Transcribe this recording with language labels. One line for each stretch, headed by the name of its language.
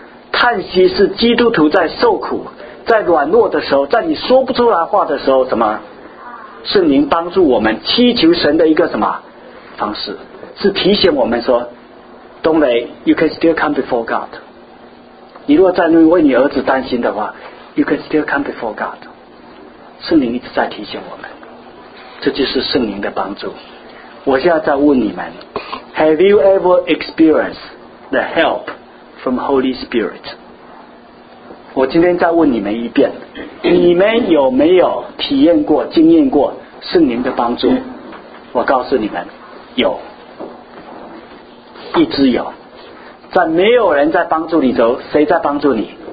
Chinese: 叹息是基督徒在受苦在软弱的时候，在你说不出来话的时候什么圣灵帮助我们祈求神的一个什么方式，是提醒我们说
English: Don't worry, you can still come before God。
Chinese: 你如果在那为你儿子担心的话
English: You can still come before God。
Chinese: 圣灵一直在提醒我们，这就是圣灵的帮助。我现在在问你们，
English: Have you ever experienced the help from Holy Spirit？
Chinese: 我今天再问你们一遍，你们有没有体验过经验过圣灵的帮助？我告诉你们，有，一直有。在没有人在帮助你的时候，谁在帮助你？